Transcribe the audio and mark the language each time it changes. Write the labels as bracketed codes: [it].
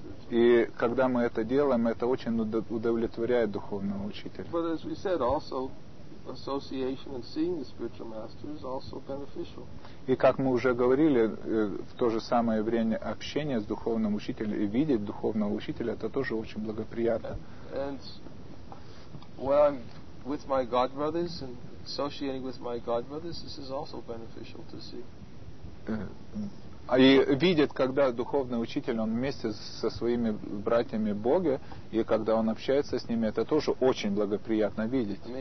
[ru] И когда мы это делаем, это очень удовлетворяет духовного учителя. [en] But as we said, also association and seeing the spiritual master is also beneficial. [ru] И как мы уже говорили, в то же самое время общение с духовным учителем и видеть духовного учителя, это тоже очень благоприятно. [en] And when I'm with my godbrothers and associating with my godbrothers, this is also beneficial to see. [ru] И видит, когда духовный учитель, он вместе со своими братьями Бога, и когда он общается с ними, это тоже очень благоприятно видеть.